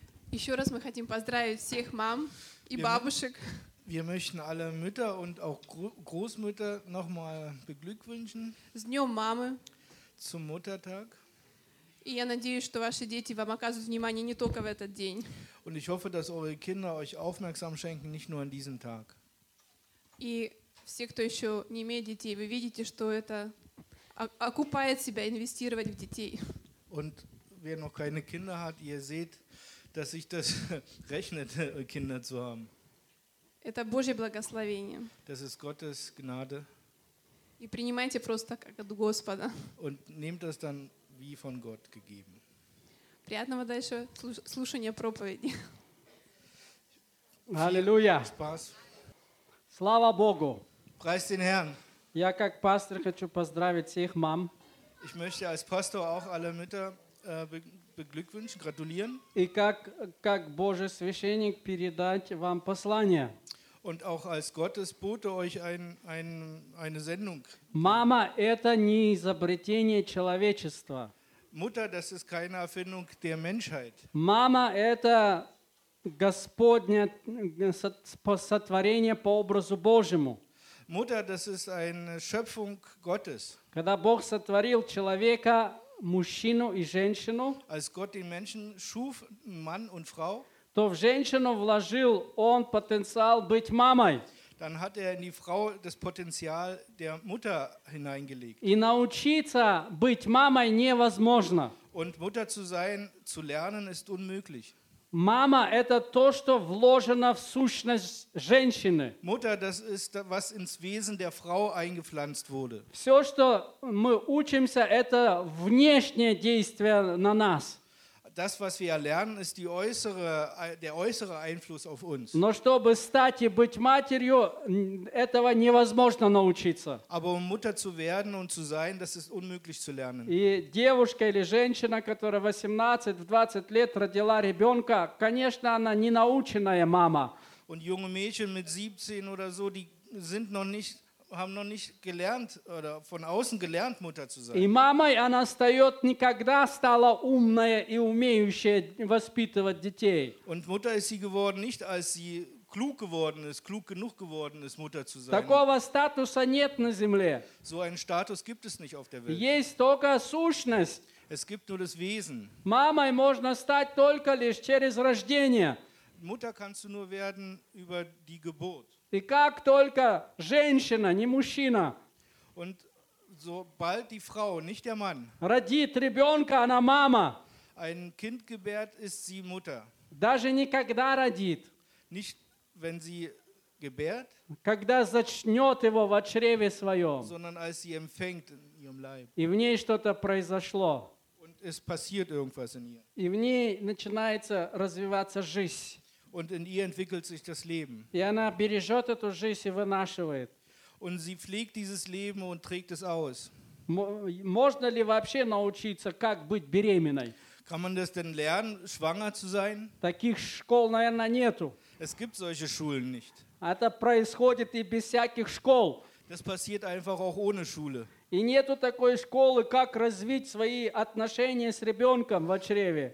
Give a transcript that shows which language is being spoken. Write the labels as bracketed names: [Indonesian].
[Russian] Еще раз мы хотим поздравить всех мам и бабушек. [German] Wir möchten alle Mütter und auch Großmütter noch mal beglückwünschen. [Russian] С днем мамы. [German] Zum Muttertag. [Russian] И я надеюсь, что ваши дети вам оказывают внимание не только в этот день. [German] Und ich hoffe, dass eure Kinder euch aufmerksam schenken, nicht nur an diesem Tag. [Russian] И все, кто еще не имеет детей, вы видите, что это окупает себя инвестировать в детей. [German] Und wer noch keine Kinder hat, ihr seht, dass sich das rechnet, Kinder zu haben. [Russian] Это Божье благословение. [German] Das ist Gottes Gnade. [Russian] И принимайте просто как от Господа. [German] Und nehmt das dann wie von Gott gegeben. [Russian] Приятного дальше слушания проповеди. [German] Halleluja. Spaß. [Russian] Слава Богу. [German] Preist den Herrn. [Russian] Я как пастор хочу поздравить всех мам. [German] Ich möchte als Pastor auch alle Mütter beglückwünschen, gratulieren. [Russian] И как Божий священник передать вам послание. [German] Und auch als Gottesbote euch eine Sendung. [Russian] Мама, это не изобретение человечества. [German] Mutter, das ist keine Erfindung der Menschheit. [Russian] Мама, это Господня сотворение по образу Божьему. [German] Mutter, das ist eine Schöpfung Gottes. [Russian] Когда Бог сотворил человека, мужчину и женщину, [German] als Gott den Menschen schuf, Mann und Frau, [Russian] то в женщину вложил он потенциал быть мамой. [German] Dann hat in die Frau das Potenzial der Mutter hineingelegt. [Russian] И научиться быть мамой невозможно. [German] Und Mutter zu sein, zu lernen, ist unmöglich. [Russian] Мама – это то, что вложено в сущность женщины. [German] Mutter, das ist, was ins Wesen der Frau eingepflanzt wurde. [Russian] Все, что мы учимся, это внешнее действие на нас. [German] Das, was wir erlernen, ist die äußere, der äußere Einfluss auf uns. [Russian] Но чтобы стать и быть матерью, этого невозможно научиться. [German] Aber um Mutter zu werden und zu sein, das ist unmöglich zu lernen. [Russian] И девушка или женщина, которая 18-20 лет родила ребенка, конечно, она не наученная мама. [German] Und junge Mädchen mit 17 oder so, die sind noch nicht, haben noch nicht gelernt oder von außen gelernt, Mutter zu sein. [Russian] И мамой она стает никогда стала умная и умеющая воспитывать детей. [German] Und Mutter ist sie geworden nicht, als sie klug geworden ist, klug genug geworden ist, Mutter zu sein. [Russian] Такого статуса нет на земле. [German] So einen Status gibt es nicht auf der Welt. [Russian] Есть только сущность. [German] Es gibt nur das Wesen. [Russian] Мамой можно стать только лишь через рождение. [German] Mutter kannst du nur werden über die Geburt. [Russian] И как только женщина, не мужчина, [German] und sobald die Frau, nicht der Mann, [Russian] родит ребенка, она мама. [German] Ein Kind gebärt, ist sie Mutter. [Russian] Даже никогда родит. [German] Nicht, wenn sie gebärt, [Russian] когда зачнет его в чреве своем. [German] Sondern als sie empfängt in ihrem Leib. [Russian] И в ней что-то произошло. [German] Und es passiert irgendwas in ihr. [Russian] И в ней начинается развиваться жизнь. [German] Und in ihr entwickelt sich das Leben. [Russian] И она бережет эту жизнь и вынашивает. [German] Und sie pflegt dieses Leben und trägt es aus. [Russian] Можно ли вообще научиться, как быть беременной? [German] Kann man das denn lernen, schwanger zu sein? [Russian] Таких школ, наверное, нету. [German] Es gibt solche Schulen nicht. [Russian] Это происходит и без всяких школ. [German] Das passiert einfach auch ohne Schule. [Russian] И нету такой школы, как развить свои отношения с ребенком в чреве.